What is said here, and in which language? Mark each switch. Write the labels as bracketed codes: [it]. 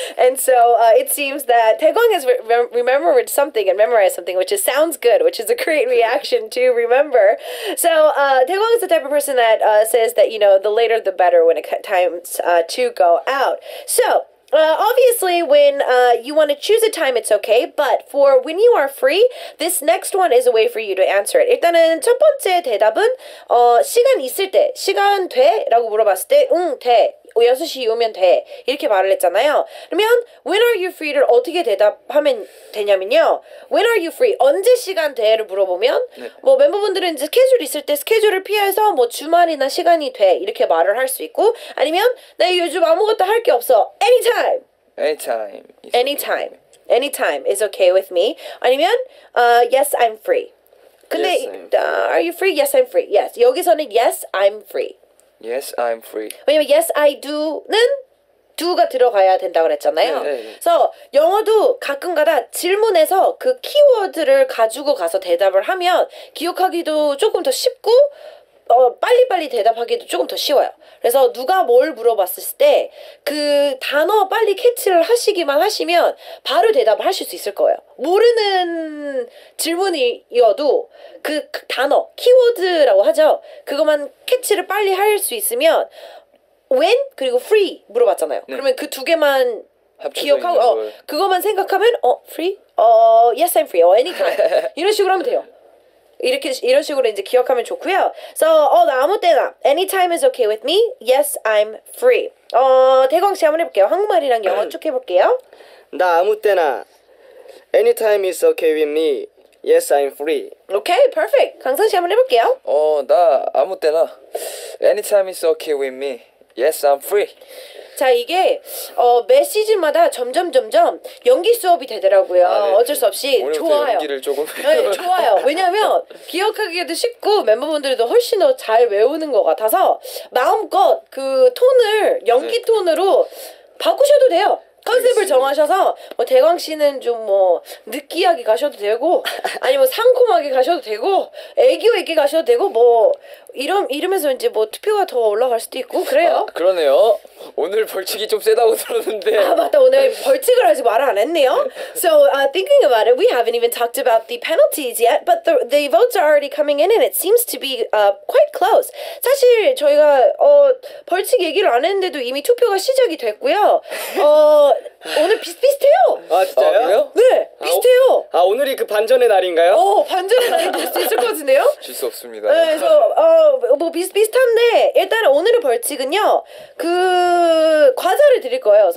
[en] And so it seems that Daekwang has remembered something and memorized something, which is sounds good, which is a great reaction to remember. So Daekwang is the type of person that says that, you know, the later the better when it times to go out. So obviously, when you want to choose a time, it's okay. But for when you are free, this next one is a way for you to answer it. [ko] 일단은 첫 번째 대답은 시간 있을 때, 시간 돼? 라고 물어봤을 때, 응, 돼. 6시 이후면 돼 이렇게 말을 했잖아요. 그러면 [en] when are you free [ko] 를 어떻게 대답하면 되냐면요, when are you free 언제 시간 돼를 물어보면 네. 뭐 멤버분들은 이제 스케줄 있을 때 스케줄을 피해서 뭐 주말이나 시간이 돼 이렇게 말을 할 수 있고, 아니면 나 요즘 아무것도 할 게 없어 [en] anytime anytime anytime anytime is okay with me, [ko] 아니면 [en] yes I'm free. [ko] 근데 [en] yes, are you free? Yes I'm free. Yes [ko] 여기서는 [en] yes I'm free. Yes, I'm free. [ko] 왜냐면 [en] yes, I do [ko] 는 do가 들어가야 된다고 했잖아요. 네, 네, 네. So 영어도 가끔가다 질문에서 그 키워드를 가지고 가서 대답을 하면 기억하기도 조금 더 쉽고 빨리빨리 대답하기도 조금 더 쉬워요. 그래서 누가 뭘 물어봤을 때 그 단어 빨리 캐치를 하시기만 하시면 바로 대답하실 수 있을 거예요. 모르는 질문이어도 그 단어, 키워드라고 하죠. 그것만 캐치를 빨리 할 수 있으면 when 그리고 free 물어봤잖아요. 네. 그러면 그 두 개만 기억하고 그것만 생각하면 free? [en] Yes, I'm free. Anytime. [ko] 이런 식으로 하면 돼요. 이렇게 이런 식으로 이제 기억하면 좋고요. [en] So [ko] 나 아무 때나 [en] anytime is okay with me. Yes, I'm free. [ko] 대광 씨 한번 해볼게요. 한국말이랑 영어 쭉 해볼게요. 나 아무 때나 [en] anytime is okay with me. Yes, I'm free. Okay, perfect. [ko] 강선 씨 한번 해볼게요. 나 아무 때나 [en] anytime is okay with me. Yes, I'm free. [ko] 자, 이게 매 시즌마다 점점 연기 수업이 되더라고요. 네. 어쩔 수 없이 좋아요. 연기를 조금. 네, 좋아요. 왜냐하면 기억하기에도 쉽고 멤버분들도 훨씬 더 잘 외우는 것 같아서 마음껏 그 톤을 연기 네. 톤으로 바꾸셔도 돼요. 컨셉을 정하셔서 뭐 대광 씨는 좀 뭐 느끼하게 가셔도 되고 아니면 상콤하게 가셔도 되고 애교 있게 가셔도 되고 뭐 이러면서 이제 뭐 투표가 더 올라갈 수도 있고 그래요. 아, 그러네요. 오늘 벌칙이 좀 세다고 들었는데. 아 맞다, 오늘 벌칙을 아직 말 안 했네요. [en] So thinking about it, we haven't even talked about the penalties yet, but the votes are already coming in and it seems to be quite close. [ko] 사실 저희가 벌칙 얘기를 안 했는데도 이미 투표가 시작이 됐고요. 오늘 비슷비슷해요. 아 진짜요? 네 비슷해요. 아 오늘이 그 반전의 날인가요? 반전의 날이 될 수 있을 것 같은데요? 질 수 없습니다. 네, 그래서 뭐 비슷비슷한데 일단 오늘의 벌칙은요 그 과자를 드릴 거예요.